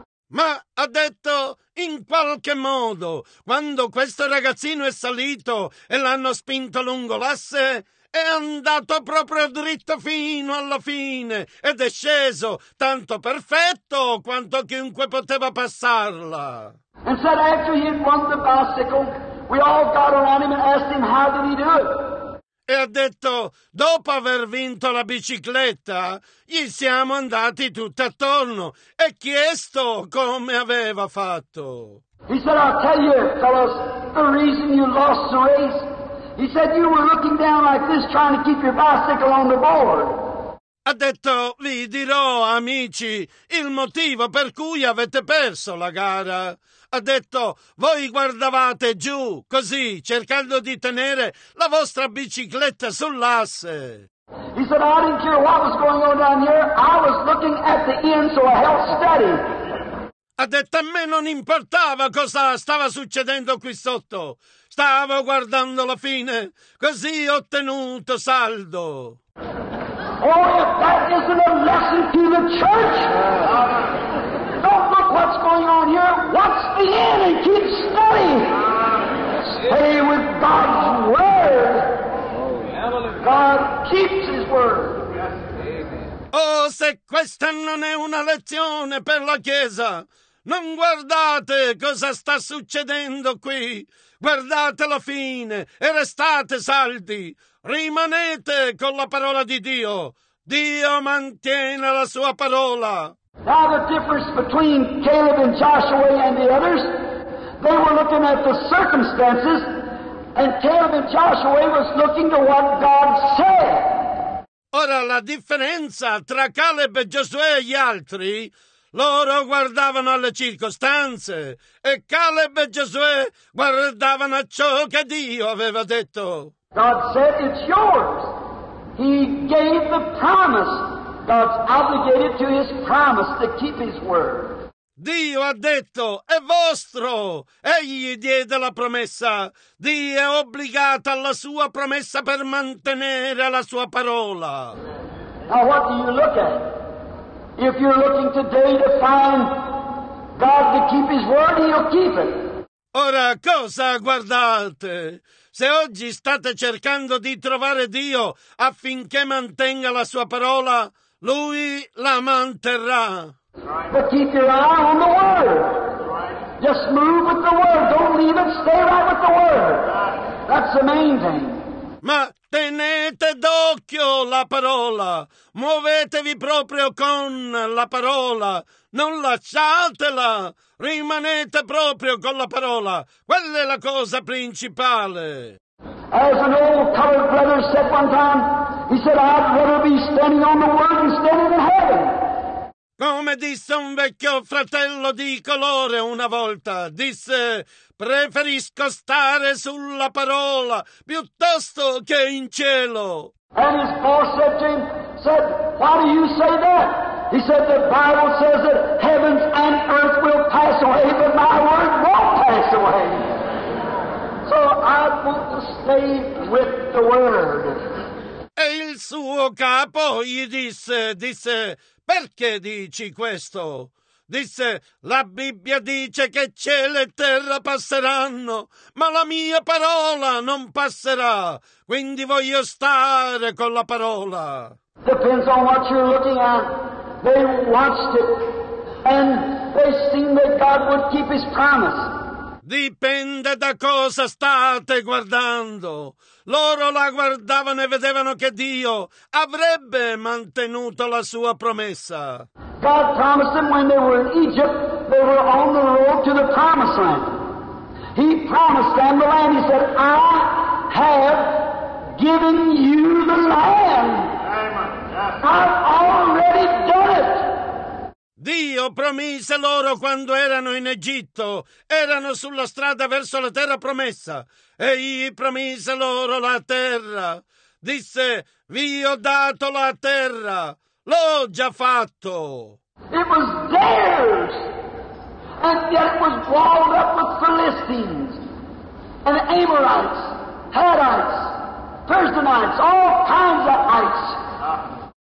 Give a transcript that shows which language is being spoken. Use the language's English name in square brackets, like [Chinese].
[Italian] Ma ha detto, in qualche modo, quando questo ragazzino è salito e l'hanno spinto lungo l'asse, è andato proprio dritto fino alla fine ed è sceso tanto perfetto quanto chiunque poteva passarla. [English] And said after he had won the bicycle, we all got around him and asked him how did he do it. [Italian] E ha detto, dopo aver vinto la bicicletta, gli siamo andati tutti attorno e chiesto come aveva fatto. [English] He said, I'll tell you, fellas, the reason you lost the race. He said, you were looking down like this, trying to keep your bicycle on the board. [Italian] Ha detto, vi dirò, amici, il motivo per cui avete perso la gara. Ha detto, voi guardavate giù, così, cercando di tenere la vostra bicicletta sull'asse. [English] He said, I didn't care what was going on down here, I was looking at the end so I held steady. [Italian] Ha detto, a me non importava cosa stava succedendo qui sotto. Stavo guardando la fine, così ho tenuto saldo. [English] Oh, if that isn't a lesson to the church! Don't look what's going on here. What's the end? And keep steady. Stay with God's word. God keeps his word. [Italian] Oh, se questa non è una lezione per la Chiesa, non guardate cosa sta succedendo qui. Guardate la fine e restate saldi. Rimanete con la parola di Dio. Dio mantiene la sua parola. [English] Now the difference between Caleb and Joshua and the others, they were looking at the circumstances, and Caleb and Joshua was looking to what God said. [Italian] Ora la differenza tra Caleb e Giosuè e gli altri, loro guardavano alle circostanze, e Caleb e Giosuè guardavano a ciò che Dio aveva detto. [English] God said, it's yours. He gave the promise. God's obligated to his promise to keep his word. [Italian] Dio ha detto, è vostro. Egli diede la promessa. Dio è obbligato alla sua promessa per mantenere la sua parola. [English] Now what do you look at? If you're looking today to find God to keep his word, he'll keep it. [Italian] Ora cosa guardate? Se oggi state cercando di trovare Dio affinché mantenga la sua parola, lui la manterrà. [English] But keep your eye on the word. Just move with the word. Don't leave it. Stay right with the word. That's the main thing. [Italian] Ma tenete d'occhio la parola. Muovetevi proprio con la parola. Non lasciatela. Rimanete proprio con la parola. Quella è la cosa principale. [English] As an old colored brother said one time, he said, I'd rather be standing on the word than standing in heaven. [Italian] Come disse un vecchio fratello di colore una volta, disse, preferisco stare sulla parola piuttosto che in cielo. [English] And his boss said to him, said, why do you say that? He said, the Bible says that heavens and earth will pass away, but my word won't pass away. So I want to stay with the word. [Italian] E il suo capo gli disse, perché dici questo? Disse, la Bibbia dice che cielo e terra passeranno, ma la mia parola non passerà, quindi voglio stare con la parola. [English] Depends on what you're looking at. They watched it, and they seen that God would keep his promise. [Italian] Dipende da cosa state guardando. Loro la guardavano e vedevano che Dio avrebbe mantenuto la sua promessa. [English] God promised them when they were in Egypt, they were on the road to the promised land. He promised them the land. He said, I have given you the land. I've already done it. [Italian] Dio promise loro quando erano in Egitto, erano sulla strada verso la terra promessa, e gli promise loro la terra. Disse, vi ho dato la terra, l'ho già fatto. [English] It was theirs, and yet it was walled up with Philistines, and Amorites, Hittites, Persianites, all kinds of ites.